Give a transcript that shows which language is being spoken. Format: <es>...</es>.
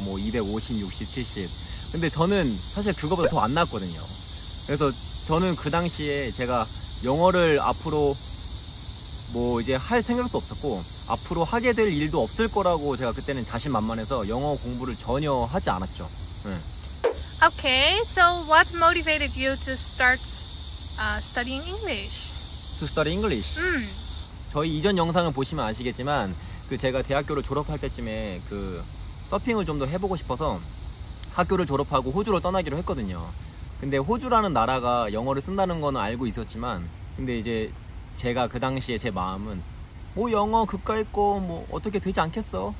<ko>뭐 250, 60, 70. 근데 저는 사실 그거보다 더 안 나왔거든요. 그래서 저는 그 당시에 제가 영어를 앞으로 뭐 이제 할 생각도 없었고 앞으로 하게 될 일도 없을 거라고 제가 그때는 자신만만해서 영어 공부를 전혀 하지 않았죠. 네.</ko> <en>Okay, so what motivated you to start studying English? To study English?</en> <ko>저희 이전 영상을 보시면 아시겠지만 그 제가 대학교를 졸업할 때쯤에 그 서핑을 좀 더 해보고 싶어서 학교를 졸업하고 호주로 떠나기로 했거든요. 근데 호주라는 나라가 영어를 쓴다는 건 알고 있었지만 근데 이제 제가 그 당시에 제 마음은 뭐 영어 극과 있고 뭐 어떻게 되지 않겠어?</ko>